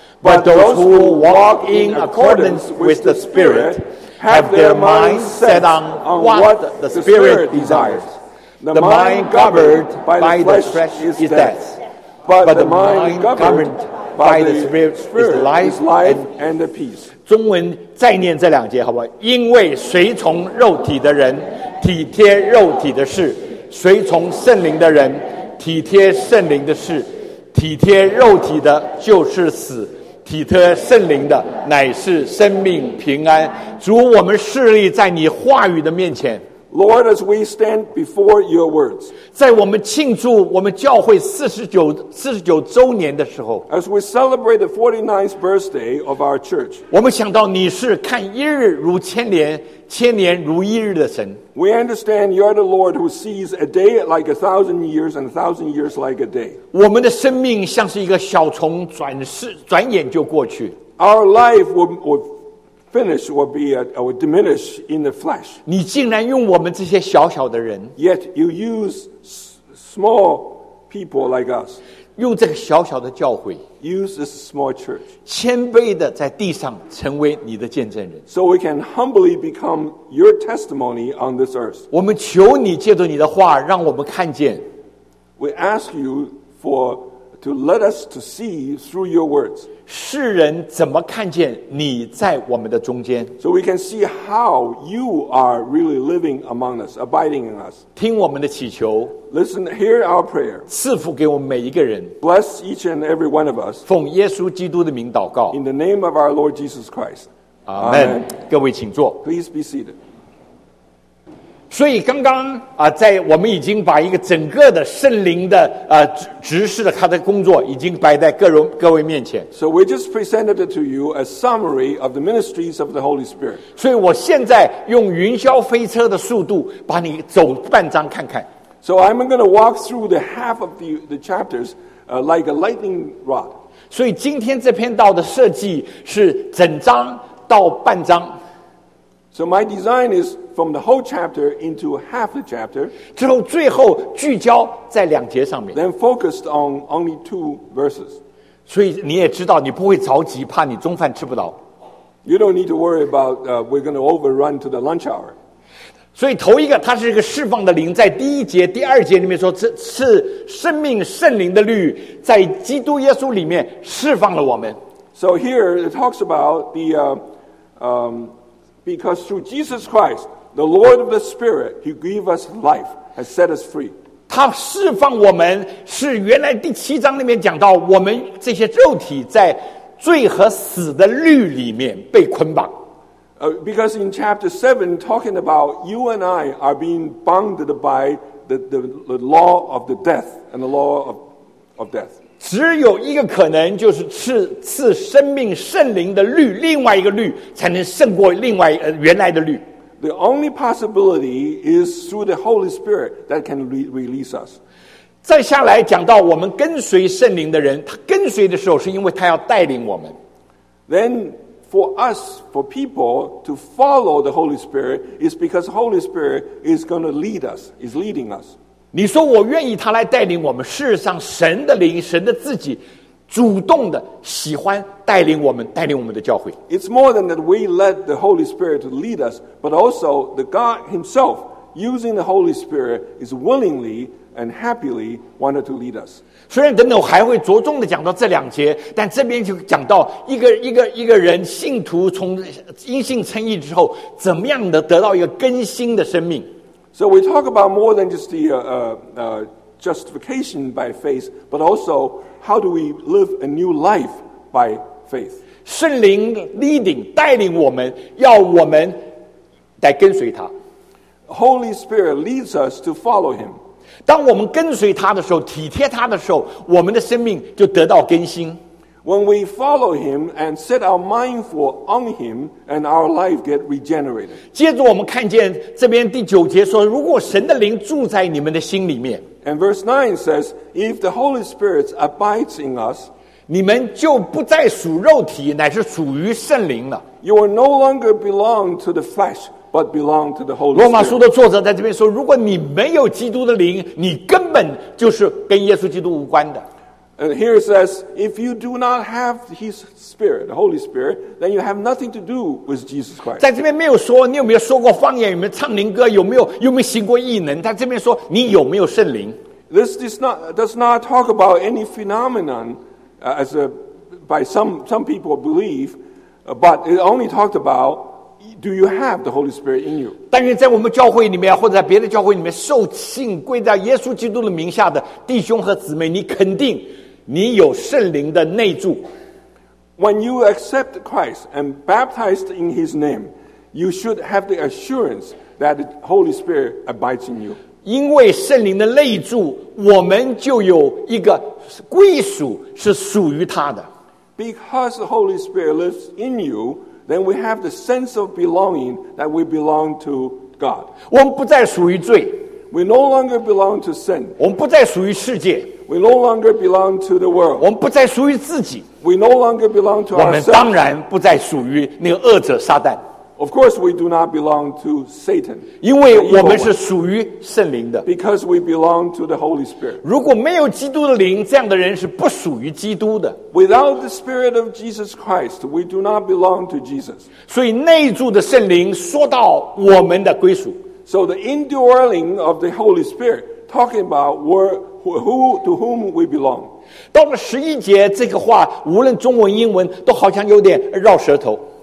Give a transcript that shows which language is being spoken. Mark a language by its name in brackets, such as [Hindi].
[English] But those who walk in accordance with the Spirit,have their minds set on what the Spirit desires. The mind governed by the flesh is death, but the mind governed by the Spirit is life and the peace. [Chinese] 中文再念这两节好不好？因为随从肉体的人体贴肉体的事，随从圣灵的人体贴圣灵的事。体贴肉体的就是死，体贴圣灵的乃是生命平安。主，我们侍立在你话语的面前。 [English] Lord, as we stand before your words, [Chinese] 在我们庆祝我们教会49周年的时候， [English] as we celebrate the 49th birthday of our church, [Chinese] 我们想到你是看一日如千年，千年如一日的神。 [English] We understand you're the Lord who sees a day like 1,000 years and 1,000 years like a day. [Chinese] 我们的生命像是一个小虫，转眼就过去。 [English] Our life will finish will diminish in the flesh. [Chinese] 你竟然用我们这些小小的人。 [English] Yet you use small people like us. [Chinese] 用这个小小的教会。 [English] Use this small church. [Chinese] 谦卑的在地上成为你的见证人。 [English] So we can humbly become your testimony on this earth. [Chinese] 我们求你借着你的话让我们看见。 [English] We ask you to let us to see through your words. [Chinese] 世人怎么看见你在我们的中间？ [English] So we can see how you are really living among us, abiding in us. [Chinese] 听我们的祈求。 [English] Listen, hear our prayer. [Chinese] 赐福给我们每一个人。 [English] Bless each and every one of us. [Chinese] 奉耶稣基督的名祷告。 [English] In the name of our Lord Jesus Christ. [Chinese] Amen. 各位请坐。 [English] Please be seated. [Chinese] 所以刚刚在我们已经把一个整个的圣灵的执事的他的工作已经摆在各位面前。 [English] So we just presented it to you a summary of the ministries of the Holy Spirit. [Chinese] 所以我现在用云霄飞车的速度把你走半章看看。 [English] So I'm going to walk through the half of the chapters like a lightning rod. [Chinese] 所以今天这篇道的设计是整章到半章。 [English] So my design is from the whole chapter into half the chapter. [Chinese] 之后最后聚焦在两节上面。 [English] Then focused on only two verses. [Chinese] 所以你也知道，你不会着急，怕你中饭吃不到。 [English] You don't need to worry about we're going to overrun to the lunch hour. [Chinese] 所以头一个，它是一个释放的灵，在第一节、第二节里面说，是生命圣灵的律在基督耶稣里面释放了我们。 [English] So here it talks about the Because through Jesus Christ, the Lord of the Spirit, He gave us life, has set us free. [Chinese] 他释放我们是原来第七章里面讲到我们这些肉体在罪和死的律里面被捆绑。 [English] Because in chapter 7, talking about you and I are being bounded by the law of the death and the law of death. [Chinese] 只有一个可能，就是赐生命圣灵的律，另外一个律才能胜过另外原来的律。 [English] The only possibility is through the Holy Spirit that can release us. [Chinese] 再下来讲到我们跟随圣灵的人，他跟随的时候是因为他要带领我们。 [English] Then for us, for people to follow the Holy Spirit is because the Holy Spirit is going to lead us, is leading us. [Chinese] 你说我愿意他来带领我们，事实上神的灵，神的自己主动的喜欢带领我们，带领我们的教会。 [English] It's more than that we let the Holy Spirit lead us, but also the God himself using the Holy Spirit is willingly and happily wanted to lead us. [Chinese] 虽然等等我还会着重的讲到这两节，但这边就讲到一个人信徒从因信称义之后怎么样的得到一个更新的生命。 [English] So we talk about more than just the justification by faith, but also how do we live a new life by faith. [Chinese] 圣灵 leading, 带领我们，要我们来跟随他。 [English] Holy Spirit leads us to follow him. [Chinese] 当我们跟随他的时候，体贴他的时候，我们的生命就得到更新。 [English] When we follow him and set our mind for on him and our life get regenerated. [Chinese] 接着我们看见这边第九节说，如果神的灵住在你们的心里面。 [English] And verse 9 says, if the Holy Spirit abides in us, [Chinese] 你们就不再属肉体，乃是属于圣灵了。 [English] You will no longer belong to the flesh, but belong to the Holy Spirit. [Chinese] 罗马书的作者在这边说，如果你没有基督的灵，你根本就是跟耶稣基督无关的。 [English] And here it says, if you do not have His Spirit, the Holy Spirit, then you have nothing to do with Jesus Christ. [Chinese] 在这边没有说你有没有说过方言，有没有唱灵歌，有没有行过异能。在这边说你有没有圣灵。 [English] This does not talk about any phenomenon, as by some people believe, but it only talked about do you have the Holy Spirit in you. [Chinese] 但愿在我们教会里面，或者在别的教会里面，受信归在耶稣基督的名下的弟兄和姊妹，你肯定。你有圣灵的内住。 [English] When you accept Christ and baptized in His name, you should have the assurance that the Holy Spirit abides in you. [Chinese] 因为圣灵的内住，我们就有一个归属，是属于他的。 [English] Because the Holy Spirit lives in you, then we have the sense of belonging that we belong to God. [Chinese] 我们不再属于罪。 [English] We no longer belong to sin. [Chinese] 我们不再属于世界。 [English] We no longer belong to the world. [Chinese] 我们不再属于自己。 [English] We no longer belong to ourselves. [Chinese] 我们当然不再属于那个恶者撒旦。 [English] Of course, we do not belong to Satan. [Chinese] 因为我们是属于圣灵的。 [English] Because we belong to the Holy Spirit. [Chinese] 如果没有基督的灵，这样的人是不属于基督的。 [English] Without the Spirit of Jesus Christ, we do not belong to Jesus. [Chinese] 所以内住的圣灵说到我们的归属。 [English] So the indwelling of the Holy Spirit talking about where, who, to whom we belong. [Chinese] 到了十一节这个话无论中文英文都好像有点绕舌头。